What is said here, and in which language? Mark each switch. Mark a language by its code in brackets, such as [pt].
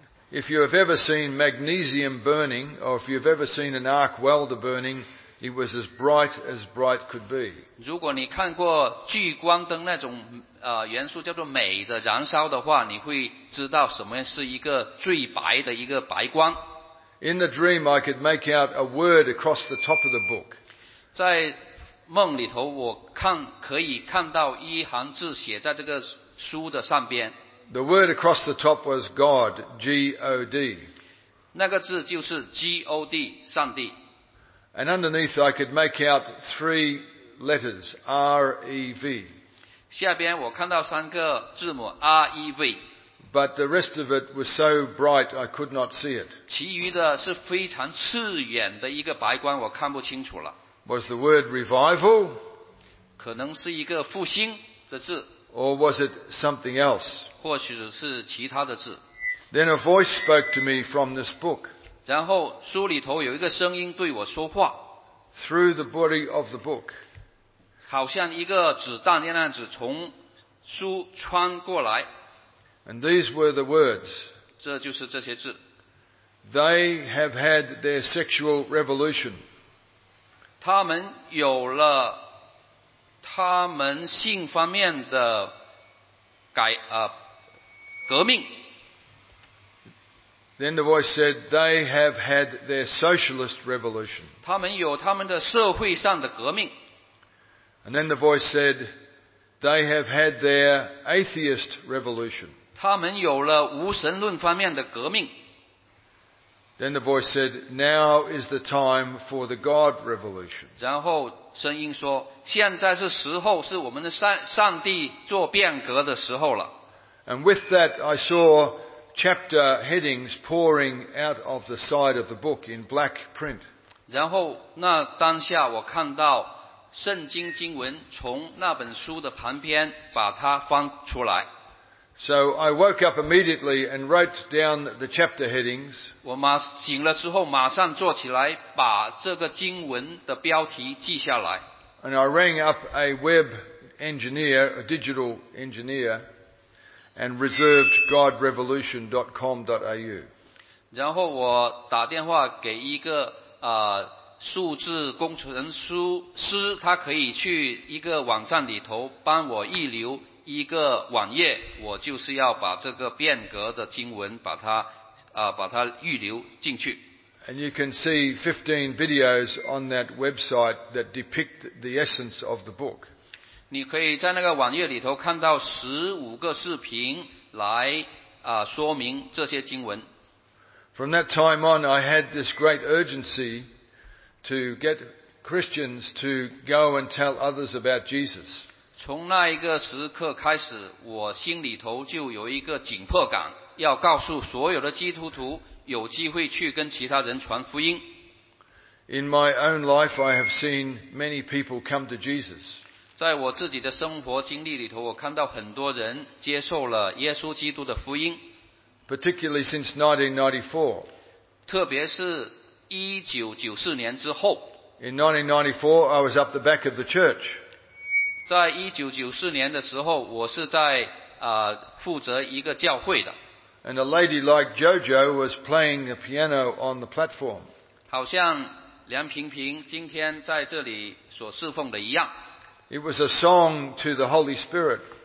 [en] If you have ever seen magnesium burning, or if you have ever seen an arc welder burning, it was as bright could be. [zh] 如果你看过聚光灯那种元素叫做镁的燃烧的话，你会知道什么是一个最白的一个白光。 [en] In the dream, I could make out a word across the top of the book. [zh] 在梦里头，我看可以看到一行字写在这个书的上边。 [en] The word across the top was God, G-O-D. [zh] 那个字就是 G-O-D, 上帝。 [en] And underneath I could make out three letters, R-E-V. [zh] 下边我看到三个字母 R-E-V. [en] But the rest of it was so bright I could not see it. [zh] 其余的是非常刺眼的一个白光我看不清楚了。 [en] Was the word revival? [zh] 可能是一个复兴的字。 [en] Or was it something else? [zh] 或许是其他的字。 [en] Then a voice spoke to me from this book. [zh] 然后书里头有一个声音对我说话。 [en] Through the body of the book. [zh] 好像一个子弹那样子从书穿过来。 [en] And these were the words. [zh] 这就是这些字。 [en] They have had their sexual revolution. [zh] 他们有了他们性方面的革命。 [en] Then the voice said, they have had their socialist revolution. [zh] 他们有他们的社会上的革命。 [en] And then the voice said, they have had their atheist revolution. [zh] 他们有了无神论方面的革命。 [en] Then the voice said, now is the time for the God revolution. [zh] 然后声音说，现在是时候，是我们的上帝做变革的时候了。 [en] And with that, I saw chapter headings pouring out of the side of the book in black print. [zh] 然后那当下我看到圣经经文从那本书的旁边把它翻出来。 [en] So I woke up immediately and wrote down the chapter headings. [zh] 我醒了之后马上坐起来把这个经文的标题记下来。 [en] And I rang up a web engineer, a digital engineer, and reserved godrevolution.com.au. [zh] 然后我打电话给一个数字工程师，他可以去一个网站里头帮我预留一个网页，我就是要把这个变革的经文把它把它预留进去。 [en] And you can see 15 videos on that website that depict the essence of the book. [zh] 你可以在那个网页里头看到15个视频来说明这些经文。 [en] From that time on, I had this great urgency to get Christians to go and tell others about Jesus. [zh] 从那一个时刻开始，我心里头就有一个紧迫感，要告诉所有的基督徒有机会去跟其他人传福音。 [en] In my own life, I have seen many people come to Jesus. [zh] 在我自己的生活经历里头，我看到很多人接受了耶稣基督的福音。 [en] Particularly since 1994. [zh] 特别是1994年之后。 [en] In 1994, I was up the back of the church. [zh] 在1994年的时候，我是在负责一个教会的。 [en] And a lady like JoJo was playing the piano on the platform. [zh] 好像梁平平今天在这里所侍奉的一样。 [en] It was a song to the Holy Spirit.